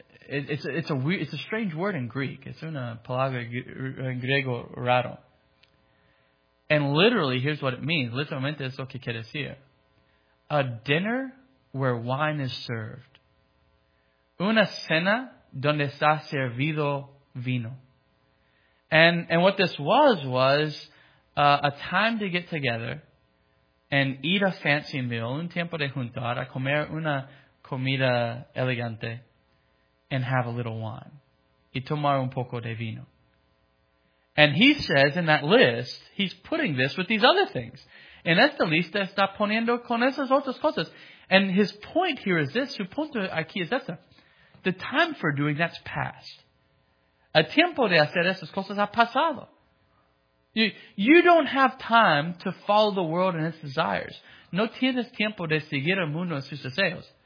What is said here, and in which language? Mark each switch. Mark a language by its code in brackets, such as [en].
[en] It's a strange word in Greek. [es] It's una palabra griego raro. [en] And literally, here's what it means. [es] Literalmente es lo que quiere decir. [en] A dinner where wine is served. [es] Una cena donde está servido vino. [en] And what this was a time to get together and eat a fancy meal, [es] un tiempo de juntar, a comer una comida elegante, [en] and have a little wine. [es] Y tomar un poco de vino. [en] And he says in that list, he's putting this with these other things. [es] En esta lista está poniendo con esas otras cosas. [en] And his point here is this, [es] su punto aquí es esta. [en] The time for doing that's past. [es] a tiempo de hacer esas cosas ha pasado. [en] You don't have time to follow the world and its desires. [es] No tienes tiempo de seguir el mundo y sus deseos.